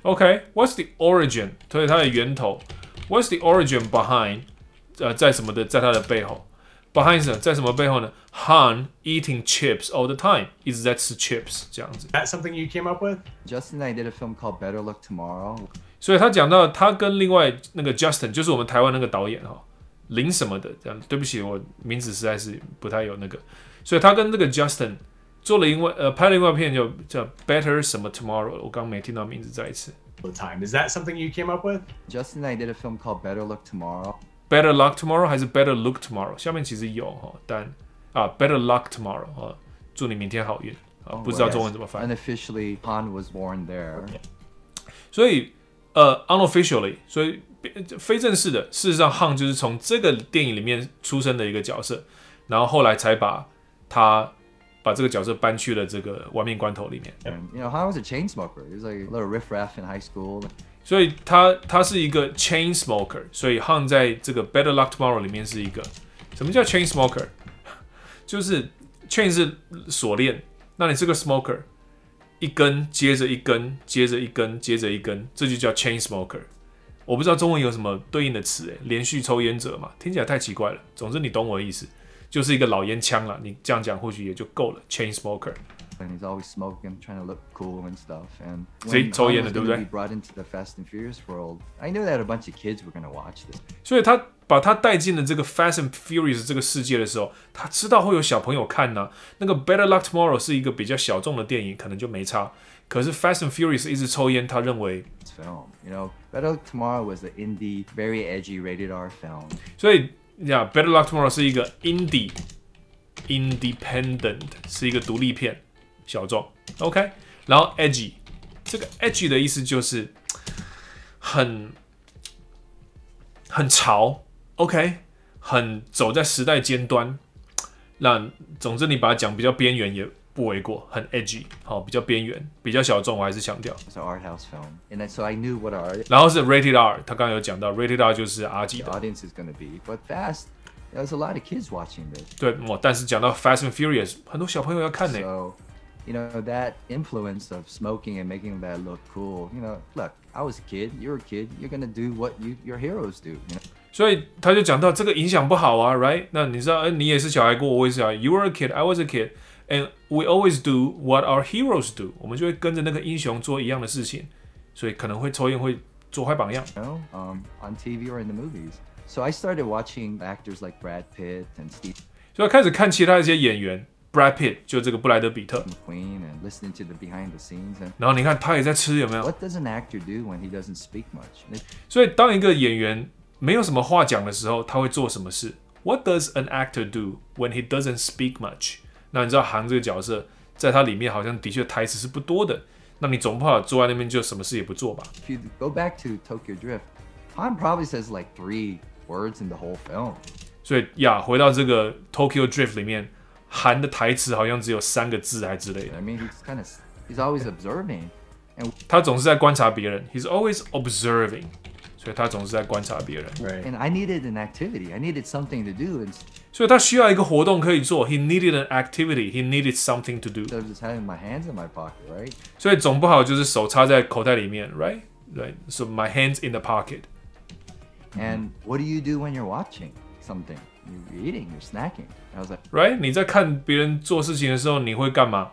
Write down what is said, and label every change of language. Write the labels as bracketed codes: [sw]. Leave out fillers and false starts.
[en] okay? What's the origin? [zh] 所以它的源头 [en] ，What's the origin behind？ [zh] 在什么的，在它的背后 ，behind 什么，在什么背后呢 ？ [en] Han eating chips all the time， [zh] 一直在吃 chips 这样子。 [en] That's something you came up with。 Justin and I did a film called Better Look Tomorrow。 [zh] 所以他讲到他跟另外那个 Justin， 就是我们台湾那个导演哈林什么的这样。对不起，我名字实在是不太有那个。所以他跟那个 Justin 做了拍了另外一片叫 Better 什么 Tomorrow。我刚没听到名字，再一次。 [en] The time is that something you came up with？ Justin and I did a film called Better Look Tomorrow。 [zh] Better Luck Tomorrow 还是 Better Look Tomorrow？ 下面其实有哈，但Better Luck Tomorrow 啊，祝你明天好运。不知道中文怎么翻。 [en] Unofficially, Han was born there. [zh] 所以，unofficially， 所以非正式的，事实上 ，Han 就是从这个电影里面出生的一个角色，然后后来才把这个角色搬去了这个《亡命关头》里面。 [en] And, you know, Han was a chain smoker. He was like a little riffraff in high school. [zh] 所以他是一个 chain smoker。所以 Han 在这个《Better Luck Tomorrow》里面是一个什么叫 chain smoker？就是 chain 是锁链。那你是个 smoker， 一根接着一根，接着一根，接着一根，这就叫 chain smoker。我不知道中文有什么对应的词，连续抽烟者嘛，听起来太奇怪了。总之你懂我的意思，就是一个老烟枪了。你这样讲或许也就够了。 [en] Chain smoker。 And he's always smoking, trying to look cool and stuff. And when he was going to be brought into the Fast and Furious world, I knew that a bunch of kids were going to watch this. [zh] 所以他把他带进了这个 Fast and Furious 这个世界的时候，他知道会有小朋友看呢、啊。那个 Better Luck Tomorrow 是一个比较小众的电影，可能就没差。可是 Fast and Furious 一直抽烟，他认为 [en] film, you know, Better Luck Tomorrow was an indie, very edgy, rated R film. [zh] 所以 ，Yeah, Better Luck Tomorrow 是一个 indie, independent， 是一个独立片，小众。 OK， 然后 edgy， 这个 edgy 的意思就是很潮。 OK， 很走在时代尖端，那总之你把它讲比较边缘也不为过，很 edgy， 好，比较边缘，比较小众，我还是强调。 [en] It's an art house film, and so I knew what art. [zh] 然后是 rated R， 他刚刚有讲到 rated R 就是 R 级的。 [en] The audience is going to be, but Fast, there's a lot of kids watching this. [zh] 对，但是讲到 Fast and Furious， 很多小朋友要看呢。 [en] So, you know that influence of smoking and making that look cool. You know, look, I was a kid, you're a kid, you're going to do what your heroes do. You know? [zh] 所以他就讲到这个影响不好啊 ，right？ 那你知道，你也是小孩过，我也是小孩。 [en] You were a kid, I was a kid, and we always do what our heroes do。 [zh] 我们就会跟着那个英雄做一样的事情，所以可能会抽烟，会做坏榜样。 [en] You know, on TV or in the movies. So I started watching actors like Brad Pitt and Steve. [zh] 所以开始看其他一些演员 ，Brad Pitt 就这个布莱德比特。 [en] McQueen and listening to the behind the scenes. [zh] 然后你看他也在吃，有没有 [en] ？What does an actor do when he doesn't speak much？ [zh] 所以当一个演员。没有什么话讲的时候，他会做什么事 ？ [en] What does an actor do when he doesn't speak much？ [zh] 那你知道韩这个角色，在他里面好像的确台词是不多的。那你总不好坐在那边就什么事也不做吧 [en] ？If you go back to Tokyo Drift, Han probably says like three words in the whole film. [zh] 所以呀，回到这个 Tokyo Drift 里面，韩的台词好像只有三个字还之类的。 [en] I mean, he's kind of, he's always observing. And [zh] 他总是在观察别人。 [en] He's always observing. [zh] 所以他总是在观察别人。 [en] Right. And I needed an activity. I needed something to do. And [zh] 所以他需要一个活动可以做。 [en] He needed an activity. He needed something to do. So just having my hands in my pocket, right? [zh] 所以总不好就是手插在口袋里面 ，right? [en] Right. So my hands in the pocket. And what do you do when you're watching? Something you're eating, you're snacking. I was like, right? [zh] 你在看别人做事情的时候，你会干嘛？